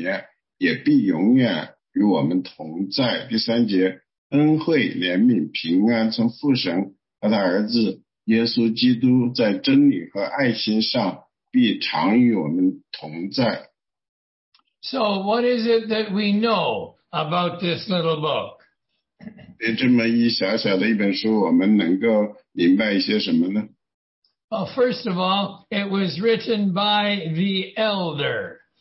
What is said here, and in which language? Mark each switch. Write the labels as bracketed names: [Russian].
[Chinese] 一切说长老的写信给蒙拣选的太太和他的儿女，就是我诚心所爱的，不但我爱，也是一切知道真理之人所爱的。爱你们是为真理的缘故，这真理存在我们里面，也必永远 与我们同在。第三节,恩惠,怜悯,平安从父神和他儿子耶稣基督在真理和爱心上必常与我们同在。 [English] So what is it that we know about this little book? [Chinese] 这么一小小的一本书,我们能够明白一些什么呢? [English] Well, first of all, it was written by the elder.